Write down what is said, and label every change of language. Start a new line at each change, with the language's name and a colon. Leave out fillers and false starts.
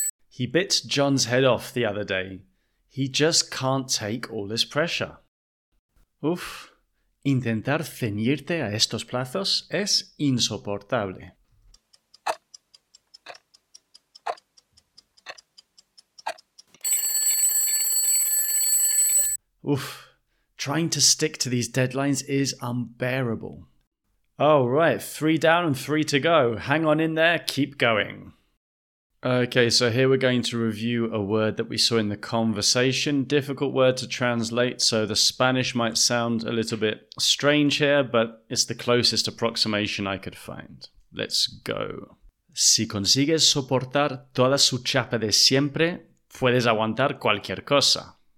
English: He bit John's head off the other day. He just can't take all this pressure.
Spanish: Uf, intentar ceñirte a estos plazos es insoportable.
English: Uf, trying to stick to these deadlines is unbearable. Oh, right, 3 down and 3 to go. Hang on in there, keep going. Okay, so here we're going to review a word that we saw in the conversation. Difficult word to translate, so the Spanish might sound a little bit strange here, but it's the closest approximation I could find. Let's go.
Spanish: Si consigues soportar toda su chapa de siempre, puedes aguantar cualquier cosa.